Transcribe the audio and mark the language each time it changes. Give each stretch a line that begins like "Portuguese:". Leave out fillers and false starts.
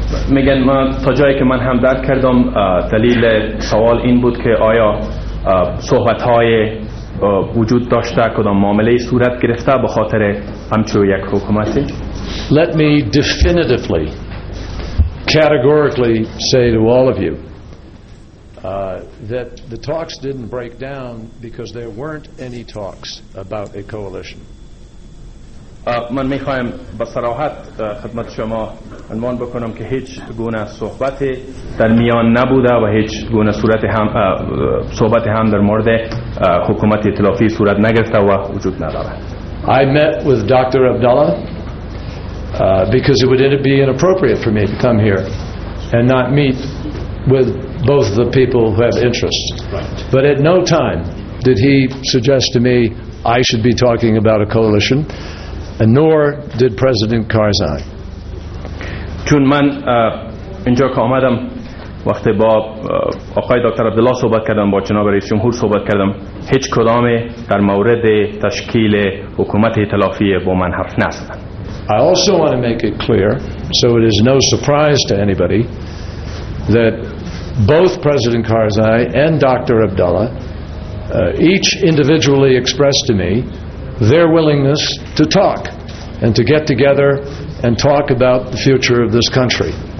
Persian: میگن من تا جایی که من هم درک کردم دلیل سوال این بود که آیا صحبت های وجود داشته کدام معامله صورت گرفته به خاطر همچون یک حکومتی.
English: Let me definitively, categorically say to all of you that the talks didn't break down because there weren't any talks about a coalition.
Persian: من میخوایم به صراحت خدمت شما عنوان بکنم که هیچ گونه صحبتی در میان نبوده و هیچ گونه صورت هم صحبت هم در مورد حکومت ائتلافی صورت نگرفته و وجود نداره.
English: I met with Dr. Abdullah because it would be inappropriate for me to come here and not meet with both the people who have interests. But at no time did he suggest to me I should be talking about a coalition. And nor did President Karzai.
Persian: چون من اینجا که آمدم وقتی با آقای دکتر عبدالله صحبت کردم، با جناب رئیس جمهور صحبت کردم، هیچ کدام در مورد تشکیل حکومت ائتلافی با من حرف نزدند.
English: I also want to make it clear, so it is no surprise to anybody, that both President Karzai and Dr. Abdullah each individually expressed to me their willingness to talk and to get together and talk about the future of this country.